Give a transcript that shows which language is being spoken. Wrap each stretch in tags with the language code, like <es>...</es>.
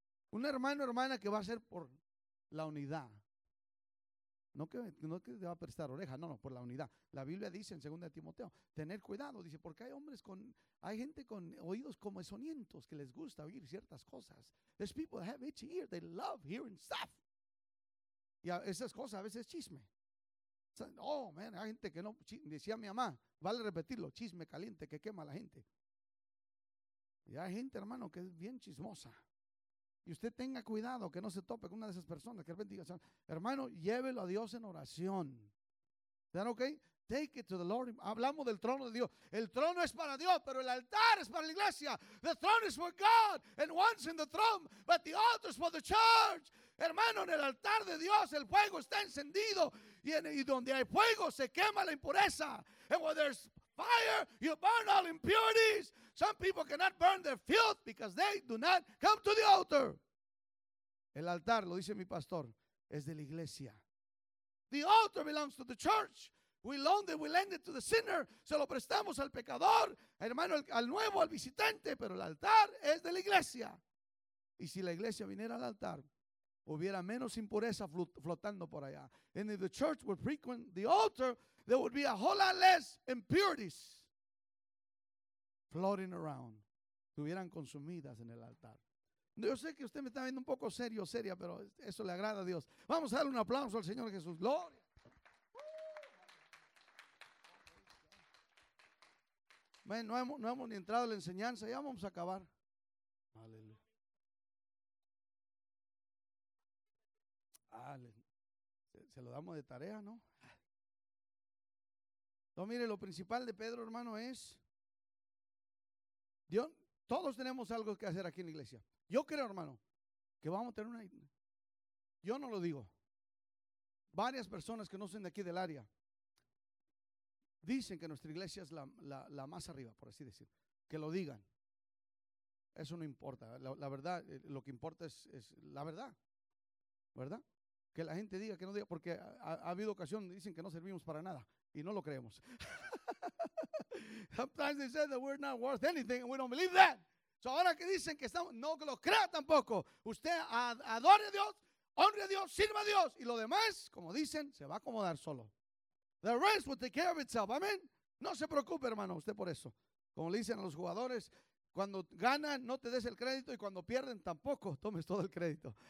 <es>Un hermano, hermana, que va a ser por la unidad. No que te va a prestar oreja, no, por la unidad. La Biblia dice en 2 Timoteo, tener cuidado, dice, porque hay gente con oídos como soniendos que les gusta oír ciertas cosas.</es> <en>There's people that have itchy ears, they love hearing stuff.</en> <es>Y esas cosas a veces chisme. Oh, man, hay gente que no, decía mi mamá, vale repetirlo, chisme caliente que quema a la gente. Y hay gente, hermano, que es bien chismosa. Y usted tenga cuidado que no se tope con una de esas personas. Que bendiga. Hermano, llévelo a Dios en oración. ¿Están ok?</es> <en>Take it to the Lord.</en> <es>Hablamos del trono de Dios. El trono es para Dios, pero el altar es para la iglesia.</es> <en>The throne is for God and once in the throne, but the altar is for the church.</en> <es>Hermano, en el altar de Dios el fuego está encendido. Y donde hay fuego se quema la impureza.</es> <en>And where there's fire, you burn all impurities. Some people cannot burn their filth because they do not come to the altar.</en> <es>El altar, lo dice mi pastor, es de la iglesia.</es> <en>The altar belongs to the church. We lend it to the sinner.</en> <es>Se lo prestamos al pecador, hermano, al nuevo, al visitante. Pero el altar es de la iglesia. Y si la iglesia viniera al altar, hubiera menos impureza flotando por allá.</es> <en>And if the church would frequent the altar, there would be a whole lot less impurities floating around.</en> <es>Estuvieran consumidas en el altar. Yo sé que usted me está viendo un poco serio, seria, pero eso le agrada a Dios. Vamos a darle un aplauso al Señor Jesús. Gloria. Man, no hemos ni entrado en la enseñanza. Ya vamos a acabar. Aleluya. Ah, se lo damos de tarea, ¿no? No, mire, lo principal de Pedro, hermano, es Dios. Todos tenemos algo que hacer aquí en la iglesia. Yo creo, hermano, que vamos a tener una. Yo no lo digo. Varias personas que no son de aquí del área dicen que nuestra iglesia es la más arriba, por así decir. Que lo digan. Eso no importa. La verdad, lo que importa es la verdad. ¿Verdad? que la gente diga, que no diga, porque ha habido ocasión, dicen que no servimos para nada y no lo creemos.</es> <en>Sometimes they say that we're not worth anything and we don't believe that.</en> <es>So ahora que dicen que estamos, no lo crea tampoco. Usted adore a Dios, honre a Dios, sirva a Dios. Y lo demás, como dicen, se va a acomodar solo.</es> <en>The rest will take care of itself.</en> <es>Amén. No se preocupe, hermano, usted por eso. Como le dicen a los jugadores, cuando ganan, no te des el crédito. Y cuando pierden, tampoco tomes todo el crédito.</es>